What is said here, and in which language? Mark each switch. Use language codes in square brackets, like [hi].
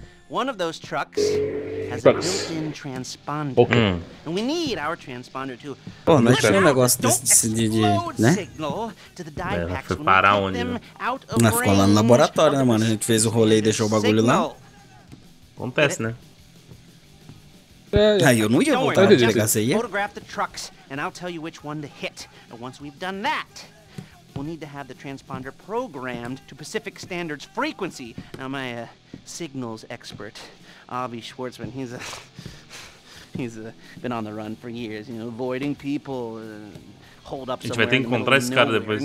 [en] One of those trucks has a built-in transponder. Okay. And we need our transponder to... [pt] Pô, não achei um negócio desse de né? Foi parar onde? Não, ficou lá no laboratório, né, mano? A gente fez o rolê e deixou o bagulho lá. Acontece, né? Aí eu não ia voltar pra ligar isso aí. [en] Photograph the trucks, and I'll tell you which one to hit. And once we've done that... We'll need to have the transponder programmed to Pacific Standard's frequency. Now, my signals expert, Avi Schwartzman, he's been on the run for years, you know, avoiding people, hold up somewhere. [pt] A gente vai ter que encontrar esse cara depois.